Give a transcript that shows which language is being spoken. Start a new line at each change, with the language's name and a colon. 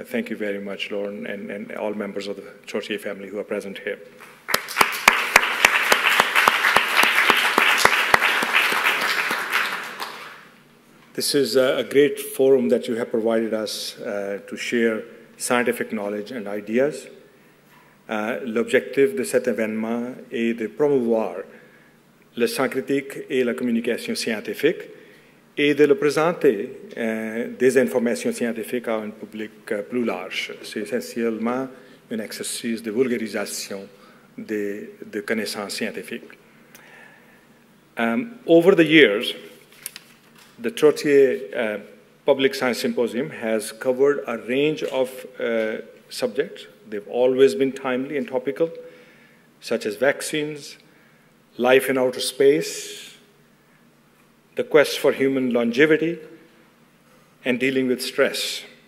English: Thank you very much, Lauren, and all members of the Trottier family who are present here. This is a great forum that you have provided us to share scientific knowledge and ideas.
French: L'objectif de cet événement est de promouvoir le champ critique et la communication scientifique et de le présenter des informations scientifiques à un public plus large. C'est essentiellement un exercice de vulgarisation de connaissances scientifiques.
English: Over the years, the Trottier Public Science Symposium has covered a range of subjects. They've always been timely and topical, such as vaccines, life in outer space, the quest for human longevity, and dealing with stress.